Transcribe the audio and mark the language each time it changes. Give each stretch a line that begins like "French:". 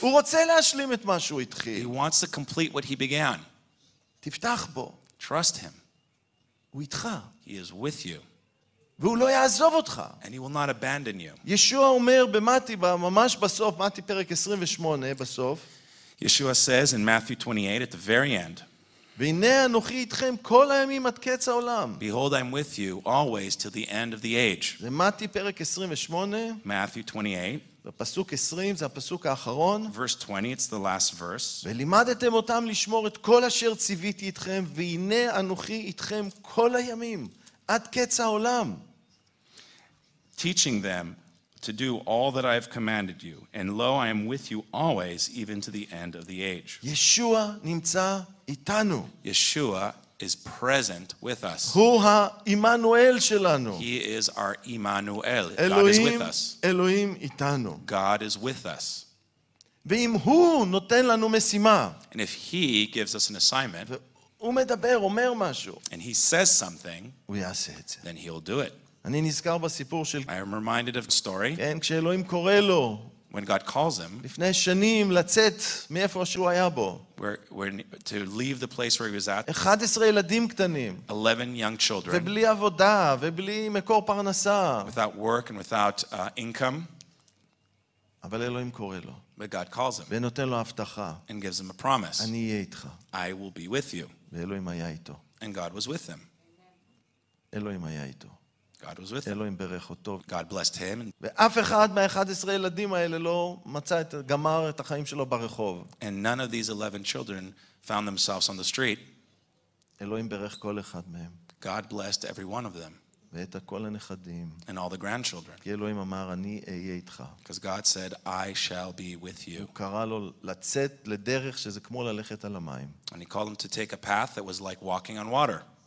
Hebrew: Hu rotze lehashlim et ma shehu itchil.
English: He wants to complete what he began.
Hebrew: תפתח בו.
English: Trust him.
Hebrew: הוא איתך.
English: He is with you.
Hebrew: והוא לא יעזוב אותך.
English: And he will not abandon you.
Hebrew: ישוע אומר במתי, ממש בסוף, מתי פרק 28, בסוף.
English: Yeshua says in Matthew 28, at the very end,
Hebrew: והנה אנוכי איתכם כל הימים עד קץ העולם.
English: Behold, I'm with you always till the end of the age.
Hebrew: זה מתי פרק 28.
English: Matthew 28.
Hebrew: בפסוק 20, זה הפסוק האחרון.
English: Verse 20, it's the last verse.
Hebrew: ולימדתם אותם לשמור את כל אשר ציוויתי אתכם, והנה אנוכי איתכם כל הימים, עד קץ העולם.
English: Teaching them to do all that I have commanded you, and lo, I am with you always, even to the end of the age.
Hebrew: ישוע נמצא איתנו.
English: Yeshua is present with us.
Hebrew: הוא האימנואל שלנו.
English: He is our Emmanuel.
Hebrew: אלוהים,
English: God is with us.
Hebrew: אלוהים איתנו.
English: God is with us.
Hebrew: ואם הוא נותן לנו משימה.
English: And if he gives us an assignment.
Hebrew: הוא מדבר, אומר משהו.
English: And he says something.
Hebrew: הוא יעשה את זה.
English: Then he'll do it.
Hebrew: אני נזכר בסיפור של.
English: I am reminded of a story.
Hebrew: כן, כשאלוהים קורא לו.
English: When God calls him,
Hebrew: לפני שנים לצאת מאיפה שהוא היה בו,
English: to leave the place where he was at,
Hebrew: 11 ילדים קטנים,
English: 11 young children,
Hebrew: ובלי עבודה, ובלי מקור פרנסה,
English: without work and without income,
Hebrew: אבל אלוהים קורא לו,
English: but God calls him,
Hebrew: ונותן לו הבטחה,
English: and gives him a promise,
Hebrew: אני אהיה איתך,
English: I will be with you,
Hebrew: ואלוהים היה איתו,
English: and God was with him,
Hebrew: אלוהים היה איתו.
English: God was with him.
Hebrew: אלוהים ברך אותו.
English: God blessed him.
Hebrew: ואף אחד מה-11 ילדים האלה לא מצא את גמר את החיים שלו ברחוב.
English: And none of these 11 children found themselves on the street.
Hebrew: אלוהים ברך כל אחד מהם.
English: God blessed every one of them.
Hebrew: ואת כל הנכדים.
English: And all the grandchildren.
Hebrew: כי אלוהים אמר אני אהיה איתך.
English: Because God said I shall be with you.
Hebrew: הוא קרא לו לצאת לדרך שזה כמו ללכת על המים.
English: And he called him to take a path that was like walking on water.